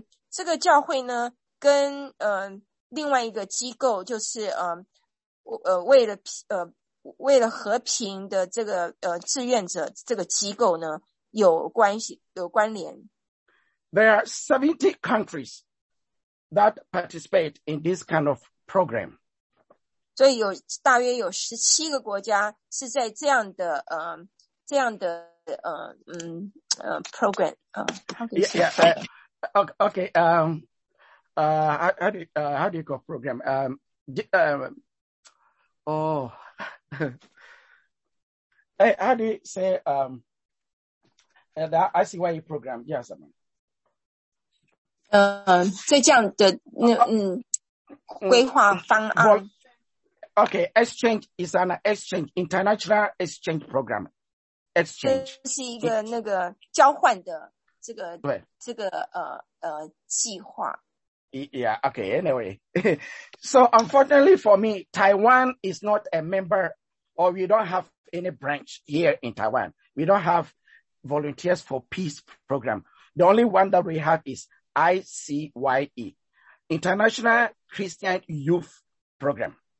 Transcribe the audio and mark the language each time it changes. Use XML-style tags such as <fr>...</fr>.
<zh>这个教会呢，跟另外一个机构就是为了和平的这个志愿者这个机构呢有关系有关联。</zh> <en>There are 70 countries that participate in this kind of program.</en> <zh>所以有大约有17个国家是在这样的program</zh> <en>how do you call program hey how do you say that I see why you program yes I mean</en> <zh>在这样的规划方案。</zh> <en>Okay, exchange is an exchange, international exchange program. Exchange.</en> <zh>这是一个那个交换的计划。</zh> <en>Yeah, okay, anyway. So unfortunately for me, Taiwan is not a member or we don't have any branch here in Taiwan. We don't have Volunteers for Peace program. The only one that we have is ICYE, International Christian Youth Program.</en>